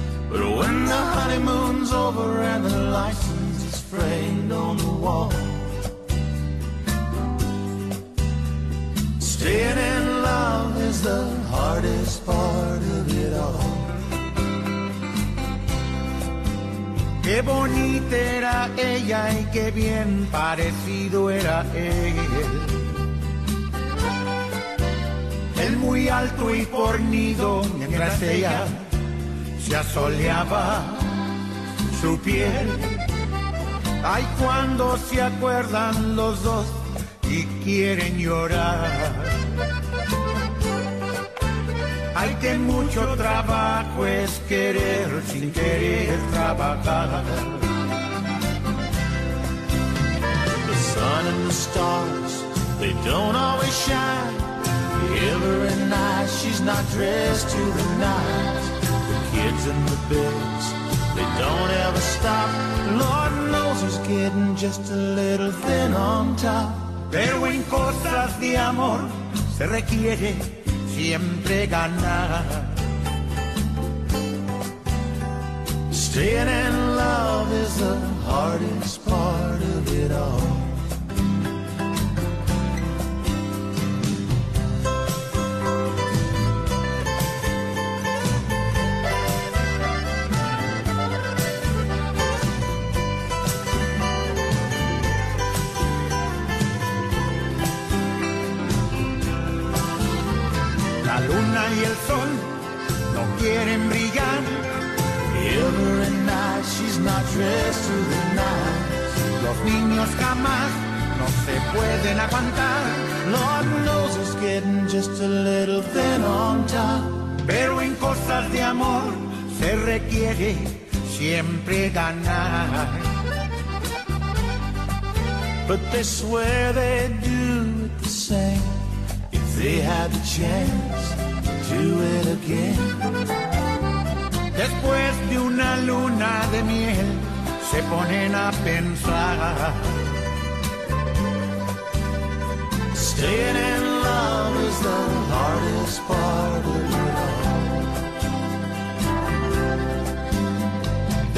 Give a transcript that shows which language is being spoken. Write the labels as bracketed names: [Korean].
[English] But when the honeymoon's over and the license is framed on the wall, staying in love is the hardest part of it all. [Spanish] Qué bonita era ella y qué bien parecido era él. Él muy alto y fornido, mientras ella se asoleaba su piel. Ay, cuando se acuerdan los dos y quieren llorar. Ay, que mucho trabajo es querer sin querer trabajar. [English] The sun and the stars, they don't always shine. Every night she's not dressed to the nines. The kids and the bills, they don't ever stop. Lord knows who's getting just a little thin on top. [Spanish] Pero en cosas de amor se requiere siempre ganar. [English] Staying in love is the hardest part of it all. [Spanish] La luna y el sol no quieren brillar. [English] Ever and I, she's not dressed to the nines. [Spanish] Los niños jamás no se pueden aguantar. [English] Lord knows it's getting just a little thin on top. [Spanish] Pero en cosas de amor se requiere siempre ganar. [English] But they swear they'd do it the same if they had the chance to do it again. [Spanish] Después de una luna de miel se ponen a pensar. [English] Staying in love is the hardest part of it all.